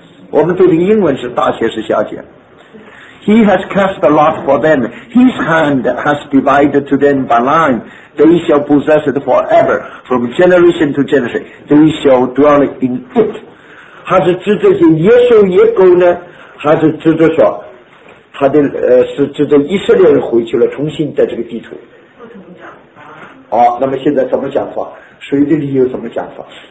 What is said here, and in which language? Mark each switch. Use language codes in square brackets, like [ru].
[zh] 我们读的英文是大写是小写。 [en] He has cast a lot for them. His hand has divided to them by line. They shall possess it forever, from generation to generation. They shall dwell in it. [zh] 他是指这些野兽野狗呢？还是指着说，他的是指着以色列人回去了，重新在这个地图？不同讲法。好，那么现在怎么讲法？谁的理由怎么讲法？